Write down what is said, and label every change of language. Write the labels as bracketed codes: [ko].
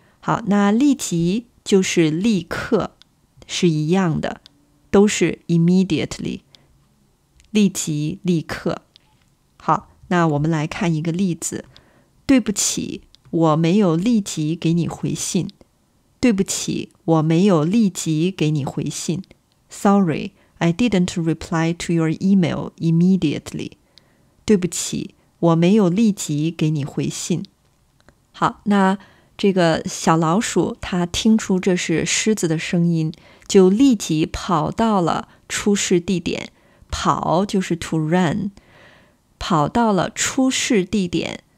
[zh] 好，那立即就是立刻，是一样的，都是 immediately， 立即立刻。好，那我们来看一个例子。对不起，我没有立即给你回信。对不起，我没有立即给你回信。 [en] Sorry, I didn't reply to your email immediately. [zh] 对不起，我没有立即给你回信。好，那这个小老鼠它听出这是狮子的声音，就立即跑到了出事地点。跑就是 to run， 跑到了出事地点。